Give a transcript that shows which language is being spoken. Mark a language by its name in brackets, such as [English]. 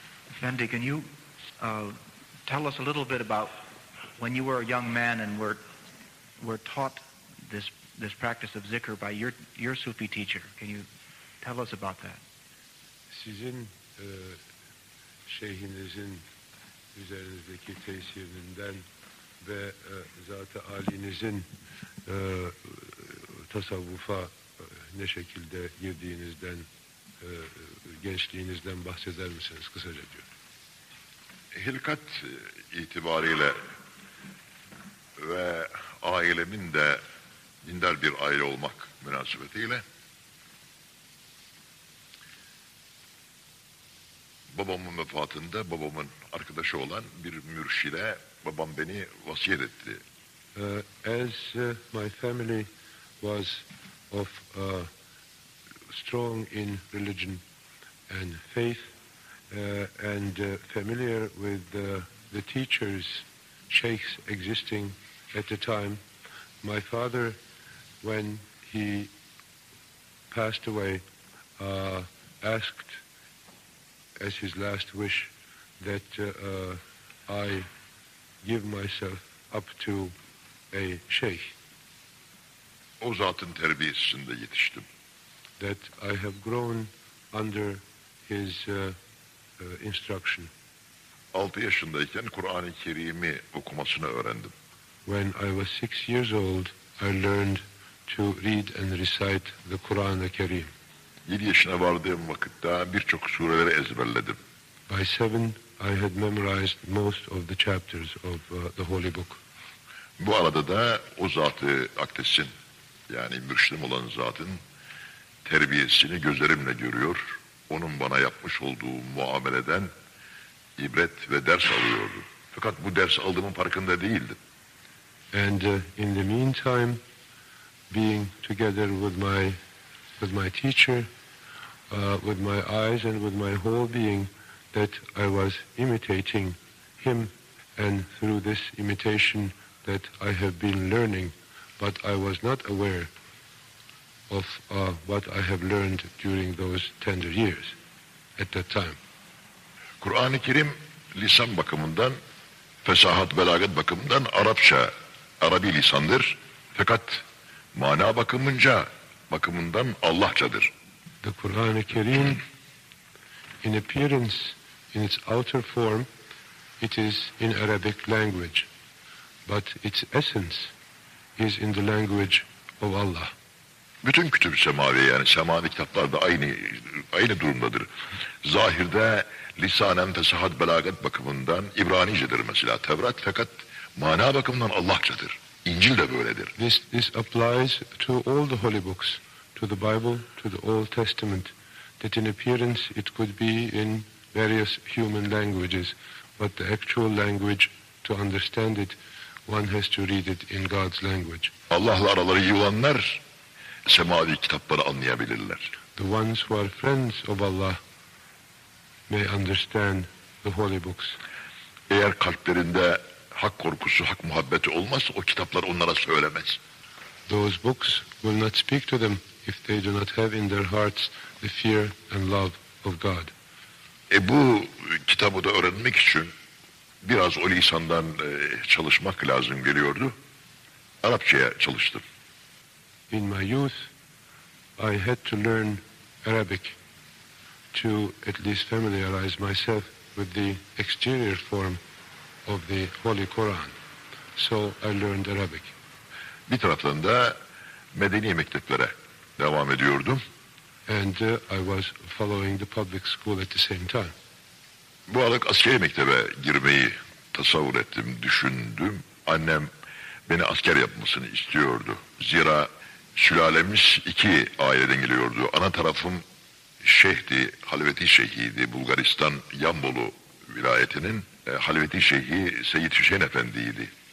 [English] Efendi, can you tell us a little bit about when you were a young man and were taught this practice of zikr by your Sufi teacher? Can you tell us about that? [Turkish] Sizin şeyhinizin üzerinizdeki tesirinden ve Zat-ı Ali'nizin tasavvufa ne şekilde girdiğinizden, gençliğinizden bahseder misiniz kısaca diyor. Hilkat itibariyle ve ailemin de dindar bir aile olmak münasebetiyle babamın vefatında babamın arkadaşı olan bir mürşide babam beni vasiyet etti. [English] As my family was of strong in religion and faith and familiar with the teachers, sheikhs existing at the time, my father, when he passed away, asked as his last wish that I give myself up to a sheikh. [Turkish] O zatın terbiyesinde yetiştim. [English] That I have grown under his instruction. [Turkish] 6 yaşındayken Kur'an-ı Kerim'i okumasını öğrendim. [English] When I was 6 years old, I learned to read and recite the Kur'an-ı Kerim. [Turkish] 7 yaşına vardığım vakitte birçok sureleri ezberledim. [English] By 7 I had memorized most of the chapters of the holy book. [Turkish] Bu arada da o zatı akdesin, yani mürşidim olan zatın terbiyesini gözlerimle görüyor. Onun bana yapmış olduğu muameleden ibret ve ders alıyordu. Fakat bu ders aldığımın farkında değildim. [English] And in the meantime, being together with my teacher, with my eyes and with my whole being, that I was imitating him, and through this imitation that I have been learning, but I was not aware of what I have learned during those tender years at that time. [Turkish] Kur'an-ı Kerim lisan bakımından, fesahat belagat bakımından Arapça, Arabi lisandır. Fakat mana bakımından Allahçadır. [English] The Kur'an-ı Kerim in appearance, in its outer form, it is in Arabic language, but its essence is in the language of Allah. [Turkish] Bütün kütüb semavi, yani semavi kitaplar da aynı durumdadır. Zahirde lisanen fesahat belagat bakımından İbranicedir mesela Tevrat, fakat mana bakımından Allahçadır. İncil de böyledir. [English] This applies to all the holy books, to the Bible, to the Old Testament, that in appearance it could be in various human languages, but the actual language, to understand it, one has to read it in God's language. [Turkish] Allah'la araları iyi olanlar semavi kitapları anlayabilirler. [English] The ones who are friends of Allah may understand the holy books. [Turkish] Eğer kalplerinde hak korkusu, hak muhabbeti olmazsa o kitaplar onlara söylemez. [English] Those books will not speak to them if they do not have in their hearts the fear and love of God. [Turkish] Bu kitabı da öğrenmek için biraz o lisandan çalışmak lazım geliyordu. Arapçaya çalıştım. [English] In my youth, I had to learn Arabic to at least familiarize myself with the exterior form of the Holy Quran. So I learned Arabic. [Turkish] Bir taraftan da medeni mekteplere devam ediyordum. [English] And I was following the public school at the same time. [Turkish] Bu aralık askeri mektebe girmeyi tasavvur ettim, düşündüm. Annem beni asker yapmasını istiyordu. Zira sülalemiz iki aileden geliyordu. Ana tarafım Şeyh'di, Halveti Şeyh'iydi. Bulgaristan Yambolu vilayetinin Halveti Şeyh'i Seyyid Hüseyin Efendi'ydi.